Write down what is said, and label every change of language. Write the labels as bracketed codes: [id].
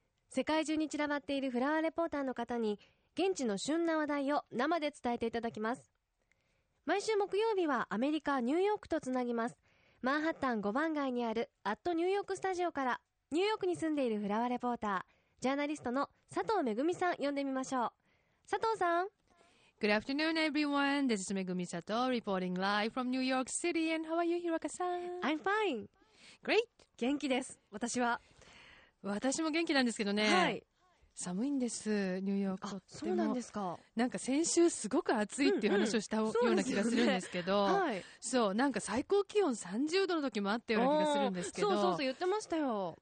[ja] 世界中に散らばっているフラワーレポーターの方に現地の旬な話題を生で伝えていただきます。毎週木曜日はアメリカニューヨークとつなぎます。マンハッタン5番街にあるアットニューヨークスタジオから、ニューヨークに住んでいるフラワーレポータージャーナリストの佐藤めぐみさん呼んでみましょう。佐藤さん。 [en] Good afternoon, everyone. This is Megumi Sato reporting live from New York City. And how are you, Hiroka-san? I'm fine. Great. [ja] 元気です。私は。私も元気なんですけどね。はい。寒いんです、ニューヨーク。あ、そうなんですか。なんか先週すごく暑いっていう話をしたような気がするんですけど。はい。そう、なんか最高気温30度の時もあったような気がするんですけど。そうそうそう、言ってましたよ。